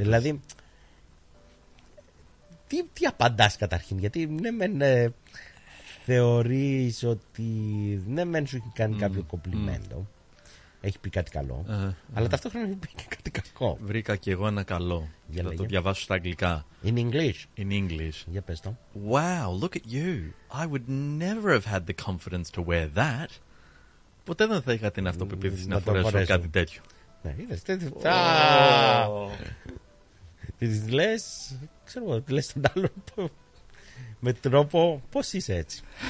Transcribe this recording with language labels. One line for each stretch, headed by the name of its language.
Greek: Δηλαδή, τι απαντάς καταρχήν, γιατί ναι μεν θεωρείς ότι ναι μεν σου έχει κάνει κάποιο κοπλιμέντο, έχει πει κάτι καλό, αλλά ταυτόχρονα έχει πει και κάτι κακό. Βρήκα και εγώ ένα καλό. Για να το διαβάσω στα αγγλικά.
English: In English. In English.
Greek: Για πες το.
English: Wow, look at you. I would never have had the confidence to wear that.
Greek: Ποτέ δεν θα είχα την αυτοπεποίθηση να φορέσω κάτι τέτοιο. Ναι, είδες τέτοιο. Τα! Τις λες, ξέρω εγώ, λες τον άλλον με τρόπο, πώς είσαι έτσι.